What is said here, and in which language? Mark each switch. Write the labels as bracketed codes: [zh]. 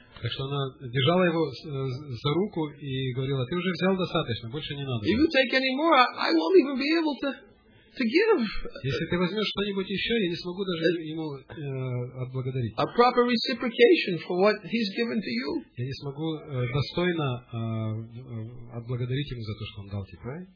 [ru] Так что она держала его за руку и говорила, ты уже взял достаточно, больше не надо. [en] If you take any more, I won't even be able to give. [ru] Если ты возьмешь что-нибудь еще, я не смогу даже ему отблагодарить. [en] A proper reciprocation for what he's given to you. [ru] Я не смогу достойно отблагодарить ему за то, что он дал тебе, [en] right?